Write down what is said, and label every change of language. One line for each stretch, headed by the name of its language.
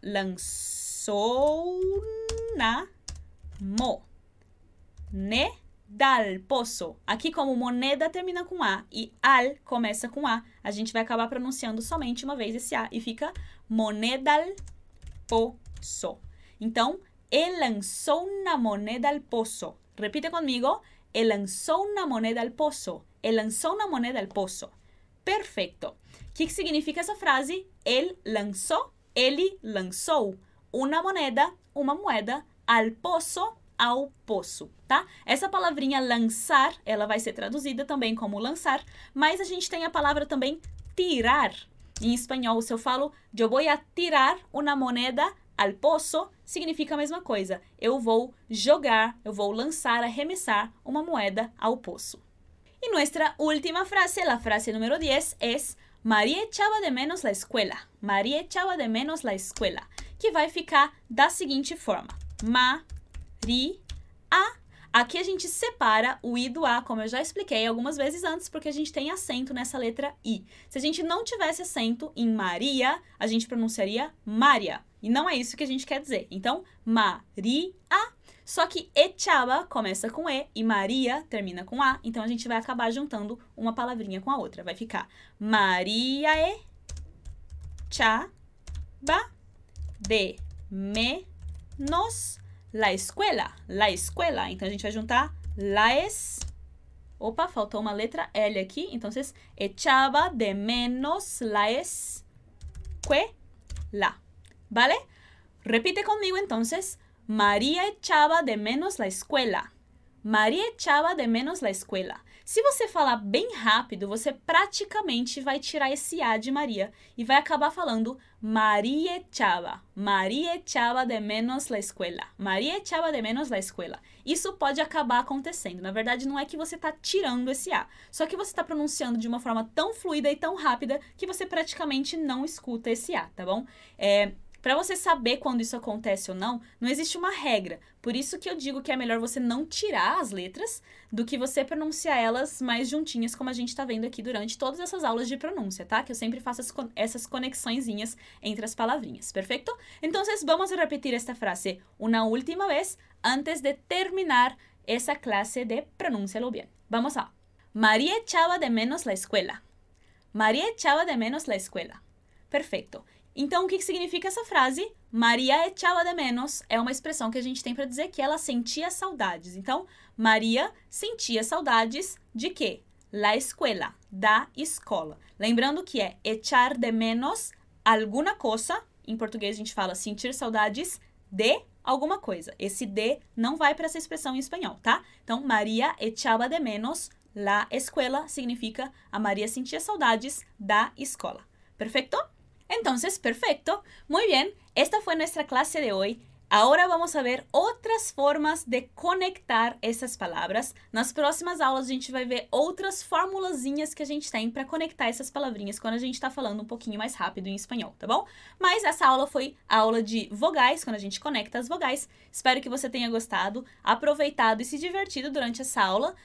Spanish: Lançou una moneda al pozo.
Portuguese: Aqui como moneda termina com A e al começa com A, a gente vai acabar pronunciando somente uma vez esse A e fica moneda al pozo.
Spanish: Então, él lanzó una moneda al pozo. Repite conmigo. Él lanzó una moneda al pozo. Él lanzó una moneda al pozo. Perfecto. ¿Qué significa esa frase? Él lanzó, él lanzó una moneda al pozo, ao pozo, tá?
Portuguese: Essa palavrinha lançar, ela vai ser traduzida também como lançar, mas a gente tem a palavra também tirar. Em espanhol, se eu falo, yo voy a tirar una moneda al pozo, significa a mesma coisa. Eu vou jogar, eu vou lançar, arremessar uma moeda ao poço. E nossa última frase, a frase número 10, é Maria echaba de menos la escuela.
Spanish: Maria echaba de menos la escuela.
Portuguese: Que vai ficar da seguinte forma. Maria. Aqui a gente separa o I do A, como eu já expliquei algumas vezes antes, porque a gente tem acento nessa letra I. Se a gente não tivesse acento em Maria, a gente pronunciaria Maria. E não é isso que a gente quer dizer. Então, Maria. Só que Echaba começa com E e Maria termina com A. Então, a gente vai acabar juntando uma palavrinha com a outra.
Spanish: Vai ficar Maria e Chaba de menos la escuela. La escuela. Então, a gente vai juntar laes. Opa, faltou uma letra L aqui. Então, vocês Echaba de menos laes que la. ¿Vale? Repite conmigo entonces. María echaba de menos la escuela. María echaba de menos la escuela.
Portuguese: Se você falar bem rápido, você praticamente vai tirar esse A de Maria e vai acabar falando María echaba.
Spanish: María echaba de menos la escuela. María echaba de menos la escuela.
Portuguese: Isso pode acabar acontecendo. Na verdade, não é que você está tirando esse A. Só que você está pronunciando de uma forma tão fluida e tão rápida que você praticamente não escuta esse A, tá bom? Para você saber quando isso acontece ou não, não existe uma regra. Por isso que eu digo que é melhor você não tirar as letras do que você pronunciar elas mais juntinhas, como a gente está vendo aqui durante todas essas aulas de pronúncia, tá? Que eu sempre faço essas conexõezinhas entre as palavrinhas, perfeito? Então, vamos repetir esta frase uma última vez antes de terminar essa classe de pronúncia-lo bien. Vamos lá.
Spanish: Maria echaba de menos la escuela. Maria echaba de menos la escuela.
Portuguese: Perfeito. Então, o que significa essa frase? Maria echaba de menos é uma expressão que a gente tem para dizer que ela sentia saudades. Então, Maria sentia saudades de quê? La escuela, da escola. Lembrando que é echar de menos alguma coisa. Em português, a gente fala sentir saudades de alguma coisa. Esse de não vai para essa expressão em espanhol, tá? Então, Maria echaba de menos la escuela significa a Maria sentia saudades da escola. Perfeito?
Spanish: Entonces, perfecto. Muy bien, esta fue nuestra clase de hoy. Ahora vamos a ver otras formas de conectar esas palabras.
Portuguese: Nas próximas aulas, a gente vai ver outras formulazinhas que a gente tem para conectar essas palavrinhas quando a gente está falando um pouquinho mais rápido em espanhol, tá bom? Mas essa aula foi a aula de vogais, quando a gente conecta as vogais. Espero que você tenha gostado, aproveitado e se divertido durante essa aula.